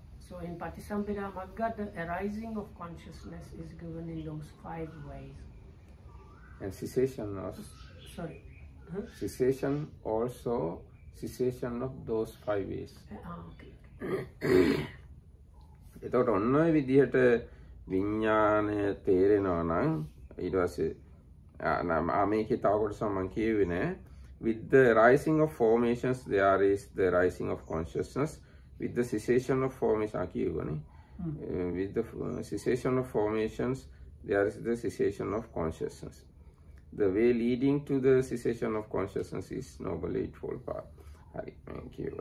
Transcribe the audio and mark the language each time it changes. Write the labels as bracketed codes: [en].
[en] So in Patisambhira Magga, the arising of consciousness is given in those five ways. And cessation of... Sorry. Cessation also, cessation of those five ways. Okay. [si] එතකොට ඔන්න ඔය විදිහට විඥානය තේරෙනවා නම් ඊට පස්සේ මේකේ තව කොටසක් මම කියෙවේ නෑ. [en] With the rising of formations, there is the rising of consciousness. With the cessation of formation, with the cessation of formations, there is the cessation of consciousness. The way leading to the cessation of consciousness is Noble Eightfold Path. හරි, thank you.